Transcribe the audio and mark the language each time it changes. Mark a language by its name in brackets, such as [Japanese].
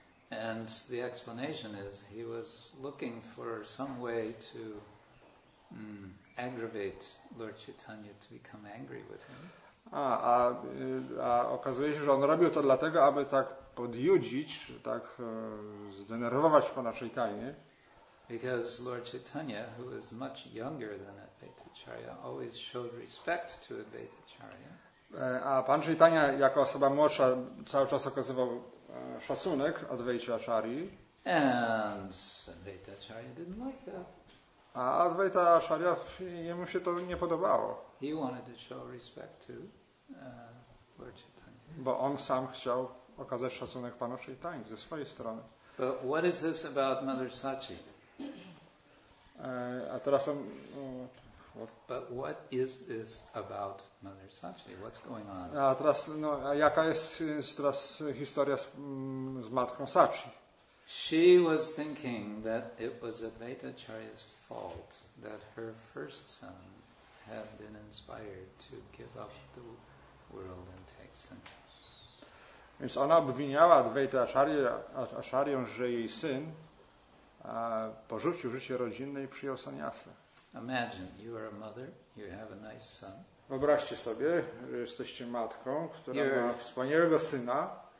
[English] And the explanation is he was looking for some way to aggravate Lord Chaitanya to become angry with him. [Polish] A okazuje się, że on robił to dlatego, aby tak podjudzić, tak zdenerwować Pana Chaitanya. [English] Because Lord Chaitanya, who was much younger than Advaita Acharya, always showed respect to Advaita Acharya. [Polish] A Pan Chaitanya, jako osoba młodsza, cały czas okazywał szacunek Advaita Acharyi. [English] And Advaita Acharya didn't like that. [Polish] A Advaita Acharya, jemu się to nie podobało. [English] He wanted to show respect to Lord Chaitanya. [Polish] Bo on sam chciał okazać szacunek Panu Chaitanyi ze swojej strony. [English] But what is this about Mother Sachi? [Polish] A teraz on, [English] But what is this about Mother Sachi? What's going on? [Polish] A teraz, no, a jaka jest teraz historia z matką Sachi? She was thinking that it was Advaita Acharya's fault that her first son had been inspired to give up the world and take sannyas. Więc ona obwiniała Advaita Acharyę, że jej syn porzucił życie rodzinne i przyjął sannyasę. [English] Imagine you are a mother, you have a nice son. [Polish] Wyobraźcie sobie, że jesteście matką, która ma wspaniałego syna.